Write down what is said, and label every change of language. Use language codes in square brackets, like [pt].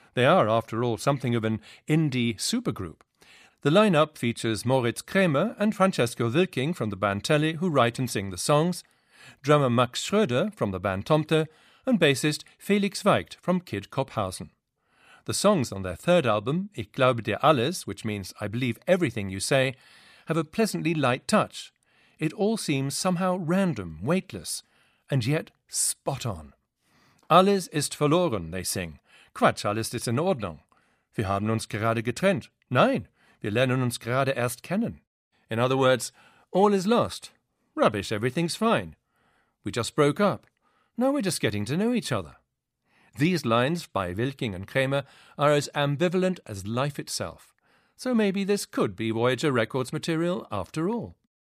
[en] They are, after all, something of an indie supergroup. The lineup features Moritz Krämer and Francesco Wilking from the band Telly, who write and sing the songs, drummer Max Schröder from the band Tomte, and bassist Felix Weicht from Kid Kopphausen. The songs on their third album, Ich glaube dir alles, which means I believe everything you say, have a pleasantly light touch. It all seems somehow random, weightless, and yet spot on. [de] Alles ist verloren, they sing. Quatsch, alles ist in Ordnung. Wir haben uns gerade getrennt. Nein, wir lernen uns gerade erst kennen. [en] In other words, all is lost. Rubbish, everything's fine. We just broke up. Now we're just getting to know each other. These lines by Wilking and Krämer are as ambivalent as life itself. So maybe this could be Voyager Records material after all.